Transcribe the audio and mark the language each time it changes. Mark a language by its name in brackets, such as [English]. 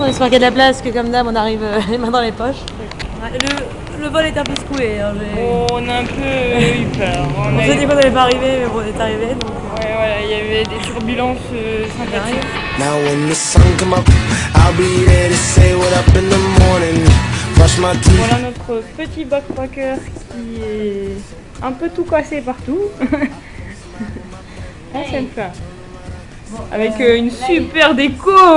[French] On espère qu'il y a de la place, que comme d'hab on arrive les mains dans les poches. Ouais. Le vol est un peu secoué. Hein, on a un peu eu peur. On s'est dit qu'on n'allait pas arriver, mais bon, on est arrivé. Donc... Ouais, voilà, il y avait des turbulences sympathiques. [English] Now when the sun come up, I'll be there to say what up in the morning. Brush my teeth. [French] Voilà notre petit backpacker qui est un peu tout cassé partout. Hey. Ah, c'est une fin. Bon, avec une super déco.